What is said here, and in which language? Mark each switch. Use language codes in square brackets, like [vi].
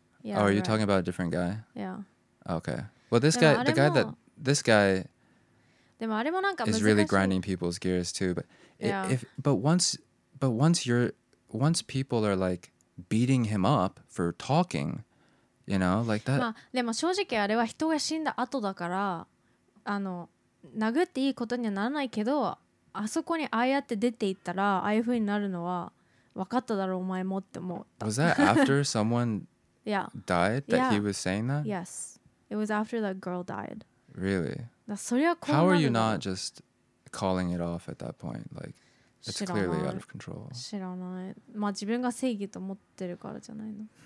[en] Yeah, oh, are you talking about a different guy? Yeah. Okay. Well, this guy, the guy that, this guy is really grinding people's gears too. But once people are like beating him up for talking, you know, like that. [ja] まあ、でも正直あれは人が死んだ後だから、あの、殴っていいことにはならないけど、あそこにああやって出ていったら、ああいうふうになるのは分かっただろう、お前もって思った。 [en] Was that after someone Yeah. died that yeah. he was saying that? Yes. It was after that girl died. Really? How are you not just calling it off at that point? Like, it's clearly out of control. [ja] 知らない。まあ自分が正義と思ってるからじゃないの。